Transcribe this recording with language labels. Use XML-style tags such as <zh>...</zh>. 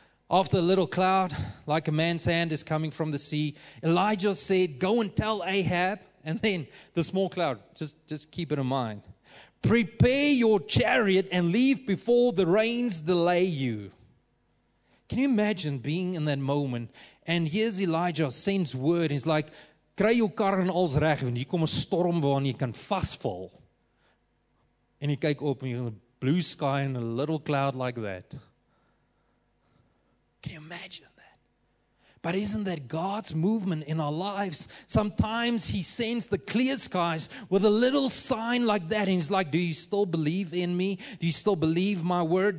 <en>After a little cloud, like a man's hand is coming from the sea, Elijah said, "Go and tell Ahab," and then the small cloud, just keep it in mind. "Prepare your chariot and leave before the rains delay you." Can you imagine being in that moment? And here's Elijah sends word. He's like,</en> <af>"Kry jou kar en als reg, want hier kom 'n storm waarin jy kan vasval."</af> <en>And you kyk op in the blue sky and a little cloud like that. Can you imagine that? But isn't that God's movement in our lives? Sometimes he sends the clear skies with a little sign like that. And he's like, "Do you still believe in me? Do you still believe my word?</en>